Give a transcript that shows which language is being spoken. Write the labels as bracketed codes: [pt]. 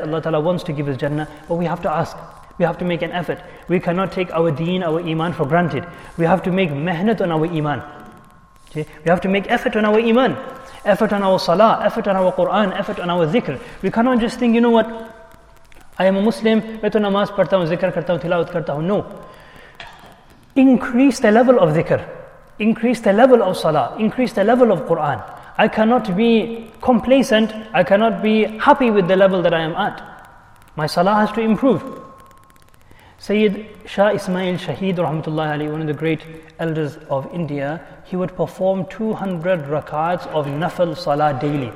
[en] Allah ta'ala wants to give us Jannah, but we have to ask. We have to make an effort. We cannot take our deen, our iman for granted. We have to make mehnat on our iman. Okay? We have to make effort on our iman. Effort on our salah, effort on our Quran, effort on our zikr. We cannot just think, you know what? I am a Muslim, I [ur] تو نماز پڑتا ہوں، ذکر کرتا ہوں، تلاوت کرتا ہوں. [en] No. Increase the level of zikr. Increase the level of salah. Increase the level of Quran. I cannot be complacent. I cannot be happy with the level that I am at. My salah has to improve. Sayyid Shah Ismail Shaheed rahmatullahi alayhi, one of the great elders of India, he would perform 200 rakats of nafal salah daily.